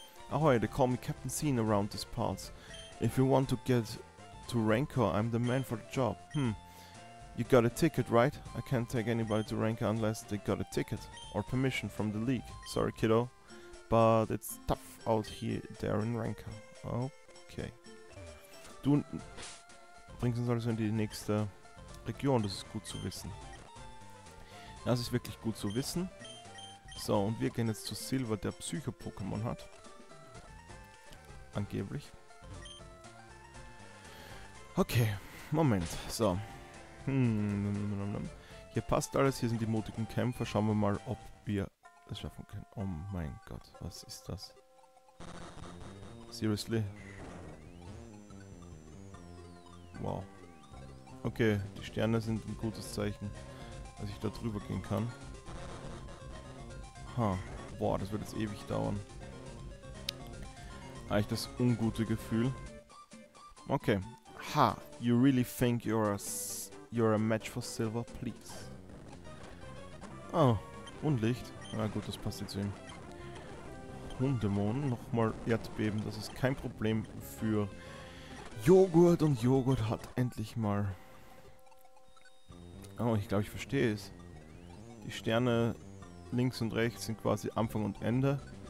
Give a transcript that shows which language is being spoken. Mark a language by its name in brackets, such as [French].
[English] Ahoy, they call me Captain Scene around these parts. If you want to get to Rancor, I'm the man for the job. You got a ticket, right? I can't take anybody to Rancor unless they got a ticket or permission from the League. Sorry, kiddo. But it's tough out here, there in Rancor. Okay. [German] Du bringst uns also in die nächste Region. Das ist gut zu wissen. Das ist wirklich gut zu wissen. So, und wir gehen jetzt zu Silver, der Psycho-Pokémon hat. Angeblich. Okay, Moment. So. Hier passt alles, hier sind die mutigen Kämpfer. Schauen wir mal, ob wir das schaffen können. Oh mein Gott, was ist das? Seriously? Wow. Okay, die Sterne sind ein gutes Zeichen, dass ich da drüber gehen kann. Ha, boah, das wird jetzt ewig dauern. Eigentlich das ungute Gefühl. Okay. [English] Ha, you really think you're a match for Silver, please. [German] Oh, und Licht. Na gut, das passt jetzt eben. Hundemonen, nochmal Erdbeben, das ist kein Problem für Joghurt und Joghurt hat endlich mal... Oh, ich glaube, ich verstehe es. Die Sterne links und rechts sind quasi Anfang und Ende.